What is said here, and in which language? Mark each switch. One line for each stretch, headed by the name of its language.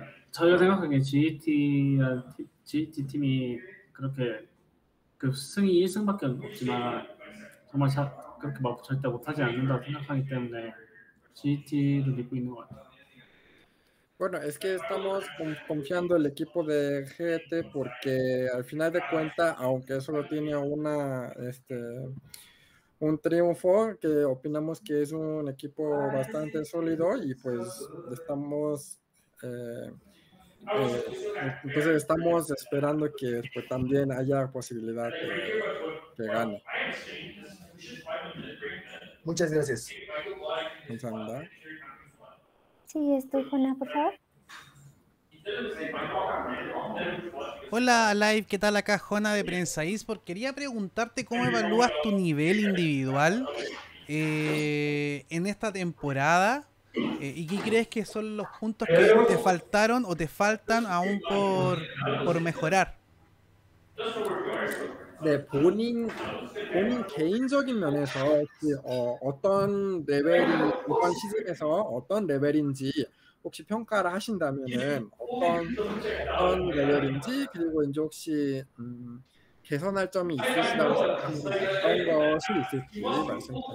Korean: 저희가 생각한 게 GT 팀이 그렇게 그 승이 1승밖에 없지만 정말 그렇게 막 절대 못하지 않는다고 생각하기 때문에 GT도 믿고 있는 것 같아요.
Spanish: Bueno, es que estamos confiando el equipo de GT porque al final de cuentas, aunque solo tiene un triunfo, que opinamos que es un equipo bastante sólido y pues estamos esperando que pues, también haya posibilidad que gane. Muchas gracias. Pensando. Sí, estoy con la, por favor. Hola Live, ¿qué tal? Acá Jona de Prensa eSport. Quería preguntarte cómo evalúas tu nivel individual en esta temporada y qué crees que son los puntos que te faltaron o te faltan aún por mejorar.
Korean: 네, 본인 개인적인 면에서 어떤 레벨이 이번 시즌에서 어떤 레벨인지 혹시 평가를 하신다면은 어떤 레벨인지 그리고 이제 혹시 개선할 점이 있으시다고 생각하는 것이 있을지 말씀